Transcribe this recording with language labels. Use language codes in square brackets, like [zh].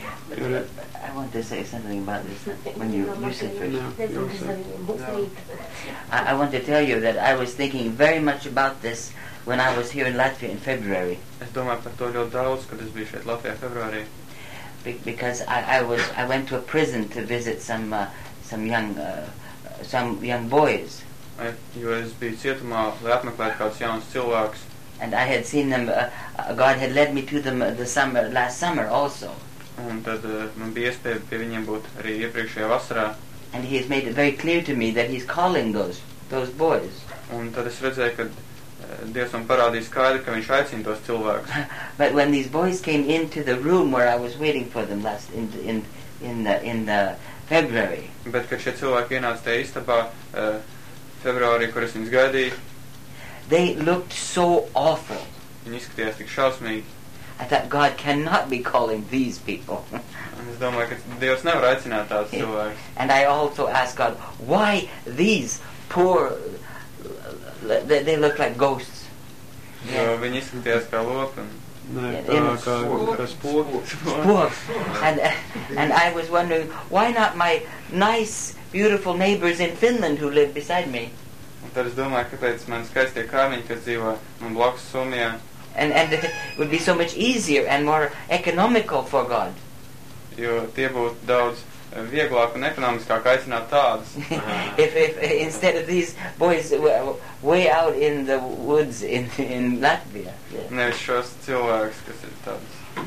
[en] I want to say something about this when you said first. I want to tell you that I was thinking very much about this when I was here in Latvia in February. [lv] Es domāju par to ļoti daudz, kad es biju šeit Latvijā februārī. [en] Because I went to a prison to visit some young boys. [lv] Jo es biju cietumā, lai apmeklētu kāds jauns cilvēks. [en] And I had seen them, God had led me to them last summer also. [lv] Un tad man bija iespēja pie viņiem būt arī iepriekšējā vasarā. [en] And he has made it very clear to me that he's calling those boys. [lv] Un tad es redzēju, ka Dievs man parādīja skaidri, ka viņš aicina tos cilvēkus. [en] But when these boys came into the room where I was waiting for them last in the February. [lv] Bet kad šie cilvēki ienāca te istabā februārī, kur es viņus gaidīju. [en] They looked so awful. [lv] Viņi izskatījās tik šausmīgi. [en] I thought God cannot be calling these people. [lv] Es domāju, ka Dievs nevar aicināt tādus cilvēkus. [en] And I also asked God, why these poor, they look like ghosts. [lv] Jo viņi izskatījās kā lopi. Nē, kā spoki. Spoki. [en] And I was wondering, why not my nice, beautiful neighbors in Finland who live beside me? [lv] Un tad es domāju, kāpēc man skaistie kaimiņi, kas dzīvo man blakus Somijā. [en] And it would be so much easier and more economical for God. [lv] Jo tie būtu daudz vieglāk un ekonomiskāk aicināt tādus. [en] if instead of these boys way out in the woods in Latvia. Yeah. [lv] Nevis šos cilvēkus, kas ir tādus.